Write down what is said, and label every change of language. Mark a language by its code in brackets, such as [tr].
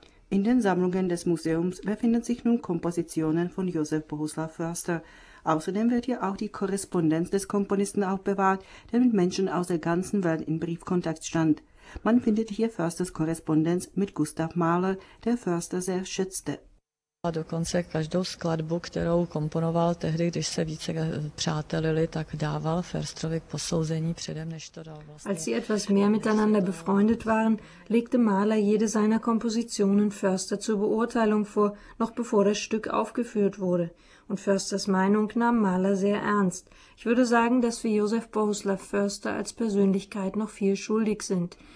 [de] In den Sammlungen des Museums befinden sich nun Kompositionen von Josef Bohuslav Förster. Außerdem wird hier auch die Korrespondenz des Komponisten aufbewahrt, der mit Menschen aus der ganzen Welt in Briefkontakt stand. Man findet hier Försters Korrespondenz mit Gustav Mahler, der Förster sehr schätzte. [cs] A dokonce každou skladbu, kterou komponoval tehdy, když se více přátelili, tak dával Försterovi k posouzení předem, než to dal vlastně. [de] Als sie etwas mehr miteinander befreundet waren, legte Mahler jede seiner Kompositionen Förster zur Beurteilung vor, noch bevor das Stück aufgeführt wurde. Und Försters Meinung nahm Mahler sehr ernst. Ich würde sagen, dass wir Josef Bohuslav Förster als Persönlichkeit noch viel schuldig sind.